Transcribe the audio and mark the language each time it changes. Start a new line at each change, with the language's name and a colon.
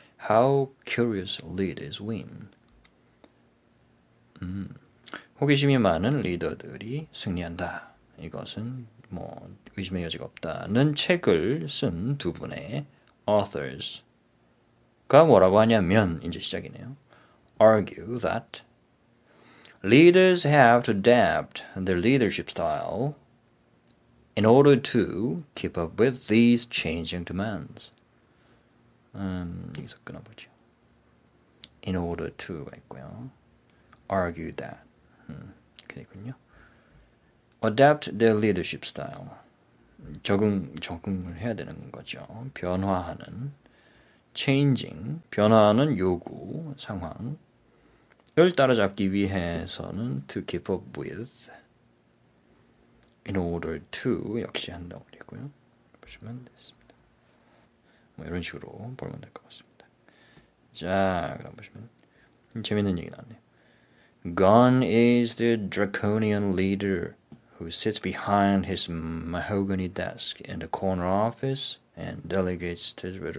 English: How curious leaders win.
Korean: 호기심이 많은 리더들이 승리한다. 이것은 뭐 의심의 여지가 없다는 책을 쓴 두 분의 authors가 뭐라고 하냐면 이제 시작이네요.
English: argue that leaders have to adapt their leadership style in order to keep up with these changing demands.
Korean: 여기서 끊어보죠.
English: in order to
Korean: 했고요.
English: argue that.
Korean: 그렇군요.
English: adapt their leadership style.
Korean: 적응을 해야 되는 거죠. 변화하는 changing 변화하는 요구 상황 따라잡기 위해서는
English: to keep up with, in order to
Korean: 역시 한 덩어리고요. 보시면 되겠습니다. 뭐 이런 식으로 보면 될것 같습니다. 자, 그럼 보시면 재밌는 얘기 나왔네요.
English: Gone is the draconian leader who sits behind his mahogany desk in the corner office and delegates to...